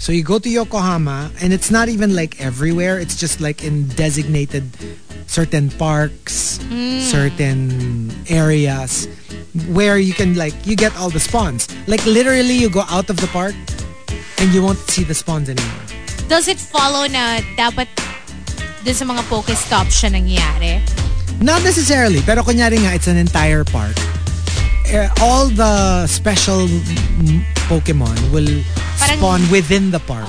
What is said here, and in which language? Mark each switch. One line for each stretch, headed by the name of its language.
English: So you go to Yokohama and it's not even like everywhere. It's just like in designated certain parks, certain areas where you can like, you get all the spawns. Like literally you go out of the park and you won't see the spawns anymore. Does it follow
Filipino: na dapat doon sa mga Pokestop siya nangyari?
English: Not necessarily.
Filipino: Pero kunyari nga,
English: it's an entire park. All the special Pokemon will spawn within the park.